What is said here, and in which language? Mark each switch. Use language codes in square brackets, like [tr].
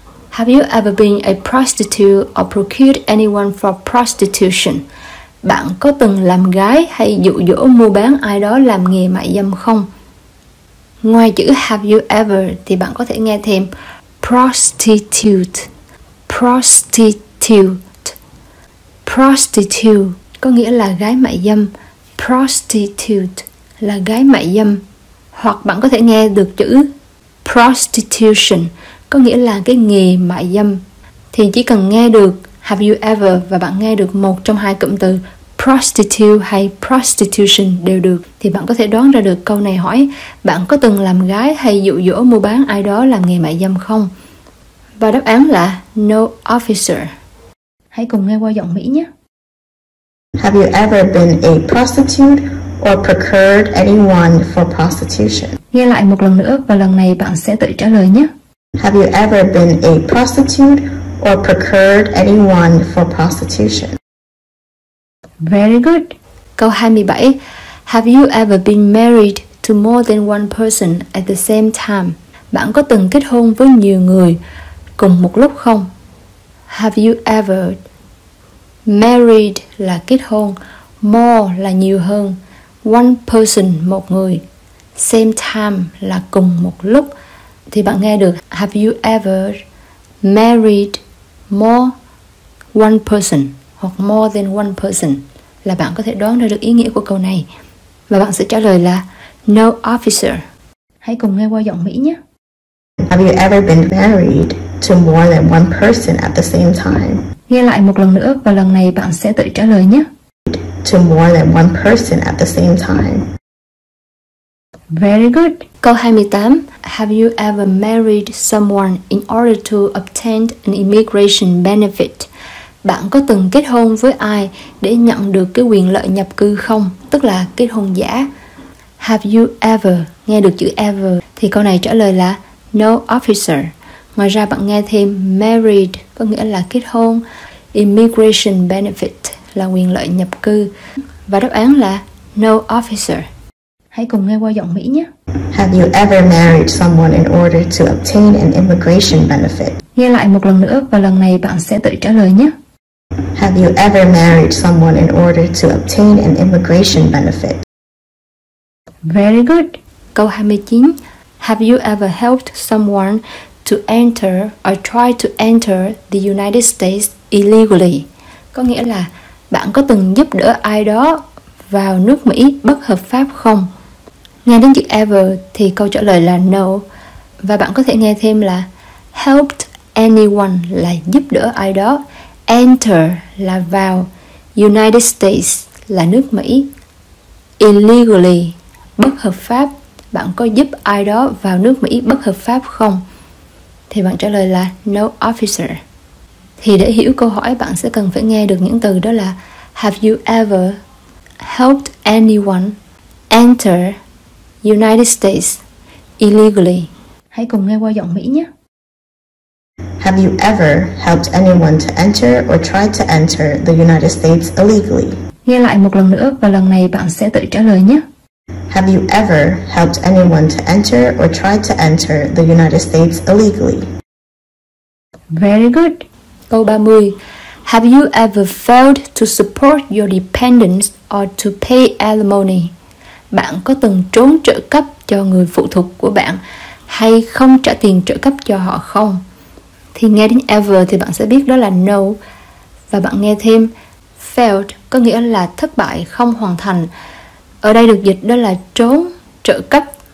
[en] Have you ever been a prostitute or procured anyone for prostitution? [vi] Bạn có từng làm gái hay dụ dỗ mua bán ai đó làm nghề mại dâm không? Ngoài chữ [en] have you ever [vi] thì bạn có thể nghe thêm prostitute. Prostitute. Prostitute có nghĩa là gái mại dâm. Prostitute là gái mại dâm. Hoặc bạn có thể nghe được chữ prostitution có nghĩa là cái nghề mại dâm. Thì chỉ cần nghe được [en] have you ever [vi] và bạn nghe được một trong hai cụm từ prostitute hay prostitution đều được, thì bạn có thể đoán ra được câu này hỏi: bạn có từng làm gái hay dụ dỗ mua bán ai đó làm nghề mại dâm không? Và đáp án là [en] no, officer. [vi] Hãy cùng nghe qua giọng Mỹ nhé. [en] Have you ever been a prostitute or procured anyone for prostitution? [vi] Nghe lại một lần nữa và lần này bạn sẽ tự trả lời nhé. [en] Have you ever been a prostitute or procured anyone for prostitution? Very good. [vi] Câu 27. [en] Have you ever been married to more than one person at the same time? [vi] Bạn có từng kết hôn với nhiều người cùng một lúc không? [en] Have you ever? [vi] Married là kết hôn, more là nhiều hơn, one person một người, same time là cùng một lúc. Thì bạn nghe được [en] have you ever married more one person [vi] hoặc more than one person, là bạn có thể đoán ra được ý nghĩa của câu này. Và bạn sẽ trả lời là [en] no, officer. [vi] Hãy cùng nghe qua giọng Mỹ nhé. [en] Have you ever been married to more than one person at the same time? [vi] Nghe lại một lần nữa và lần này bạn sẽ tự trả lời nhé. [en] To more than one person at the same time. Very good. [vi] Câu 28. [en] Have you ever married someone in order to obtain an immigration benefit? [vi] Bạn có từng kết hôn với ai để nhận được cái quyền lợi nhập cư không? Tức là kết hôn giả. [en] Have you ever? [vi] Nghe được chữ ever thì câu này trả lời là [en] no, officer. [vi] Ngoài ra bạn nghe thêm married có nghĩa là kết hôn, immigration benefit là quyền lợi nhập cư. Và đáp án là [en] no, officer. [vi] Hãy cùng nghe qua giọng Mỹ nhé. [en] Have you ever married someone in order to obtain an immigration benefit? [vi] Nghe lại một lần nữa và lần này bạn sẽ tự trả lời nhé. [en] Have you ever married someone in order to obtain an immigration benefit? Very good. [vi] Câu 29. [en] Have you ever helped someone to enter or try to enter the United States illegally? [vi] Có nghĩa là bạn có từng giúp đỡ ai đó vào nước Mỹ bất hợp pháp không? Nghe đến chữ ever thì câu trả lời là no. Và bạn có thể nghe thêm là [en] helped anyone [vi] là giúp đỡ ai đó, enter là vào, United States là nước Mỹ, illegally bất hợp pháp. Bạn có giúp ai đó vào nước Mỹ bất hợp pháp không? Thì bạn trả lời là [en] no, officer. [vi] Thì để hiểu câu hỏi bạn sẽ cần phải nghe được những từ đó là [en] have you ever helped anyone enter United States illegally? [vi] Hãy cùng nghe qua giọng Mỹ nhé. [en] Have you ever helped anyone to enter or tried to enter the United States illegally? [vi] Nghe lại một lần nữa và lần này bạn sẽ tự trả lời nhé. [en] Have you ever helped anyone to enter or tried to enter the United States illegally? Very good. [vi] Câu 30. [en] Have you ever failed to support your dependents or to pay alimony? [vi] Bạn có từng trốn trợ cấp cho người phụ thuộc của bạn hay không trả tiền trợ cấp cho họ không? Thì nghe đến ever thì bạn sẽ biết đó là no. Và bạn nghe thêm failed có nghĩa là thất bại, không hoàn thành. Ở đây được dịch đó là trốn trợ cấp.